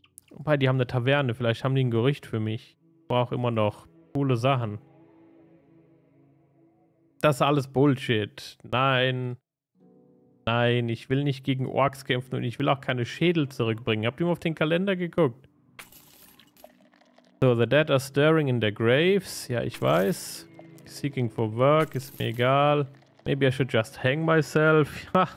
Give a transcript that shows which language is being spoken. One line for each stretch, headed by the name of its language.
German: Wobei, die haben eine Taverne. Vielleicht haben die ein Gericht für mich. Ich brauche immer noch coole Sachen. Das ist alles Bullshit. Nein. Nein, ich will nicht gegen Orks kämpfen und ich will auch keine Schädel zurückbringen. Habt ihr mal auf den Kalender geguckt?
English: So, the dead are stirring in their graves.
German: Ja, ich weiß.
English: Seeking for work,
German: ist mir egal.
English: Maybe I should just hang myself.